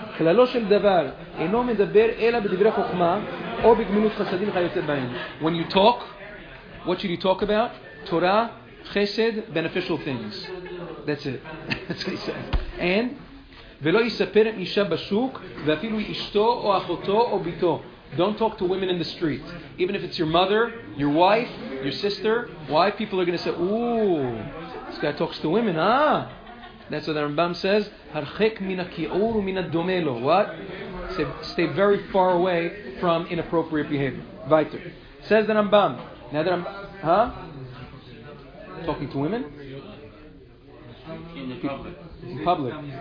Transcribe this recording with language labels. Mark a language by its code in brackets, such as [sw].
[he] כללו של דבר, אינו מדבר אלא בדברי חוכמה, או בגמילות חסדים וכיוצא בהן. [en] When you talk, what should you talk about? Torah, chesed, beneficial things. That's it. That's what he says. [he] And, ולא יספר עם אישה בשוק, ואפילו אשתו או אחותו או ביתו. [en] Don't talk to women in the street. Even if it's your mother, your wife, your sister, why people are going to say, ooh, this guy talks to women, huh? That's what the Rambam says. [he] הרחק מן הכיעור ומן הדומה לו. [en] What? Stay very far away from inappropriate behavior. Vayter. Says the Rambam. Now the Rambam, huh? Talking to women? In public.